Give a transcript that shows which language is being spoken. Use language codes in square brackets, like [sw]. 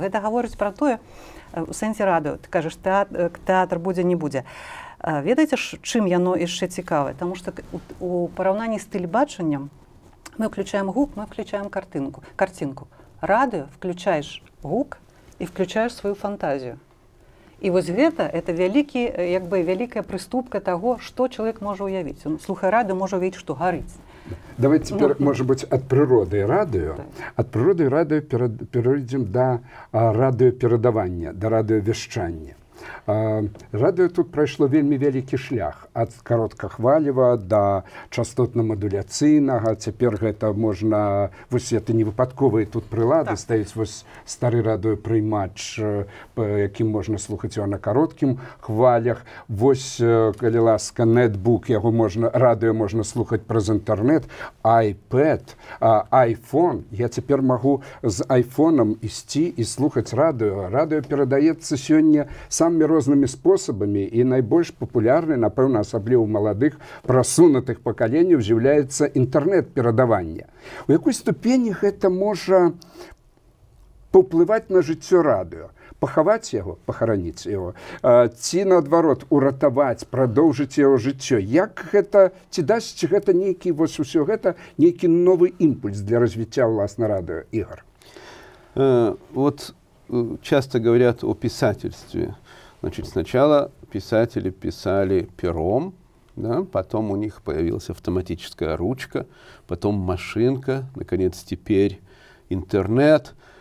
[ru] Это говорит про то, в сенсе радио, ты кажешь, театр будет, не будет. Ведаете, чем оно еще интересное? Потому что в сравнении с телебачением мы включаем гук, мы включаем картинку. Радио включаешь гук и включаешь свою фантазию. [be] І ось гэта вялікі, якби, вялікая прыступка таго, што чалавек можа ўявіць. Ну, слухай радыо, можа ўявіць, што гарыць. Давай цяпер, можа быць, ад прыроды радыё. Ад прыроды радыё перайдзем да радыёперадавання, да радыёвяшчання. Радыё тут прайшло вельмі вялікі шлях. Ад кароткахвалева да частотна-мадуляцыйнага. Цяпер гэта можна, вось гэта не выпадковыя тут прылады, стаюць вось стары радыёпрыймач, якім можна слухаць яго на кароткім хвалях. Вось, калі ласка, нетбук, яго можна, радыё можна слухаць праз інтэрнэт, iPad, iPhone. Я цяпер магу з айфонам ісці і слухаць радыё. Радыё перадаецца сёння самымі рознымі спосабамі і найбольш папулярны, напэўна, асабліва ў маладых, прасунутых пакаленняў, з'яўляецца інтэрнэт-перадаванне. У якой ступені гэта можа паўплываць на жыццё радыё? Пахаваць яго, пахараніць яго, ці наадварот уратаваць, прадоўжыць яго жыццё? Як гэта, ці дасць гэта нейкі, вось усё гэта, нейкі новы імпульс для развіцця ўласна радыё, Ігар? [ru] Вот часто говорят о писательстве. Значит, сначала писатели писали пером, да, потом у них появилась автоматическая ручка, потом машинка, наконец, теперь интернет.